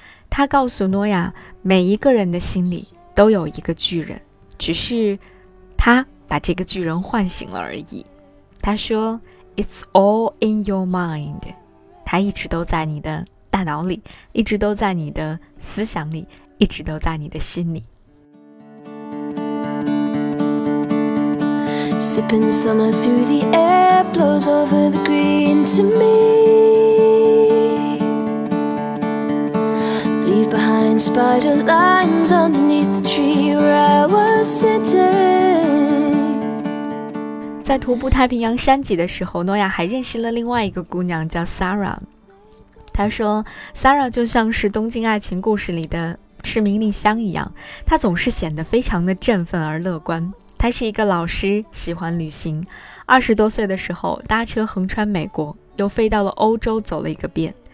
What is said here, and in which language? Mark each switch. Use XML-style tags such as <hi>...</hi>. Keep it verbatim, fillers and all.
<zh>他告诉诺亚，每一个人的心里都有一个巨人，只是他把这个巨人唤醒了而已。他说</zh> <en>"It's all in your mind"，</en> <zh>他一直都在你的大脑里，一直都在你的思想里，一直都在你的心里。</zh> <en>Sipping summer through the air blows over the green to me. Leave behind spider lines underneath the tree where I was sitting.</en> <zh>在徒步太平洋山脊的时候，诺亚还认识了另外一个姑娘叫 Sarah。他说 Sarah 就像是《东京爱情故事》里的市民丽香一样，她总是显得非常的振奋而乐观。她是一个老师，喜欢旅行，二十多岁的时候搭车横穿美国，又飞到了欧洲走了一个遍。</zh>